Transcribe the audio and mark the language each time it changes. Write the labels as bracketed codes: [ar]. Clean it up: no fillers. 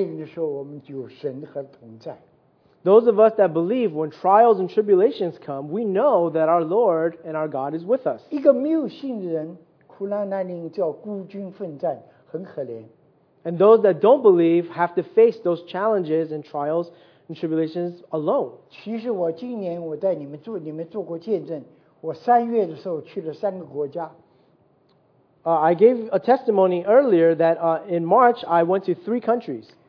[zh] 其实人我们一个基督徒啊,相信神的人,苦难来临的时候我们就有神和同在。 [en] Those of us that believe when trials and tribulations come, we know that our Lord and our God is with us. [zh] 一个没有信的人, 苦难难临叫孤军奋战,很可怜。 [en] And those that don't believe have to face those challenges and trials and tribulations alone. [zh] 其实我今年我带你们做过见证,我三月的时候去了三个国家。 [en] I gave a testimony earlier that in March I went to three countries.